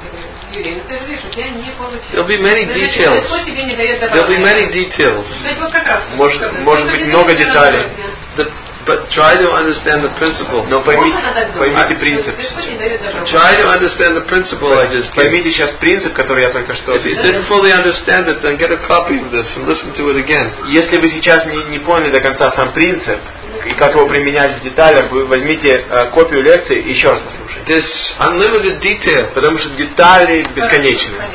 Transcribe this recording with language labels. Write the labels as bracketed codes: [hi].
[ru] Я говорю, Юрий, ну ты же видишь, у тебя не получилось. [en] There'll be many details. [ru] Что тебе не дает добавить? [en] There'll be many details. [ru] То есть вот как раз. Может быть много деталей. [en] But try to understand the principle. [ru] Но поймите принцип. [en] Try to understand the principle I just. [ru] Поймите сейчас принцип, который я только что. [en] If you didn't fully understand it, then get a copy of this and listen to it again. [ru] Если вы сейчас не поняли до конца сам принцип и как его применять в деталях, вы возьмите копию лекции и еще раз послушайте. [en] This unlimited detail. [ru] Потому что детали бесконечны.